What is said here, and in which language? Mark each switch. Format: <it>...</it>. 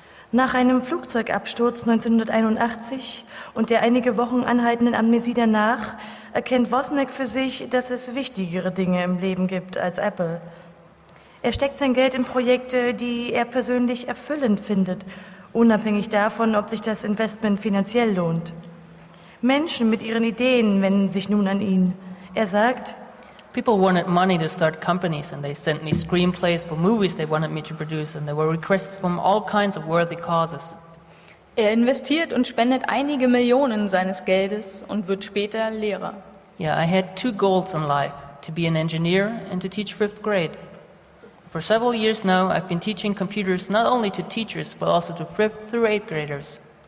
<de>Nach einem Flugzeugabsturz 1981 und der einige Wochen anhaltenden Amnesie danach erkennt Wozniak für sich, dass es wichtigere Dinge im Leben gibt als Apple. Er steckt sein Geld in Projekte, die er persönlich erfüllend findet unabhängig davon, ob sich das Investment finanziell lohnt. Menschen mit ihren Ideen wenden sich nun an ihn. Er sagt,</de> <en>people wanted money to start companies, and they sent me screenplays for movies they wanted me to produce, and there were requests from all kinds of worthy causes.</en> <de>Er investiert und spendet einige Millionen seines Geldes und wird später Lehrer.</de> <en>Yeah, I had two goals in life, to be an engineer and to teach fifth grade. For several years now, I've been teaching computers not only to teachers, but also to fifth through eighth graders.</en>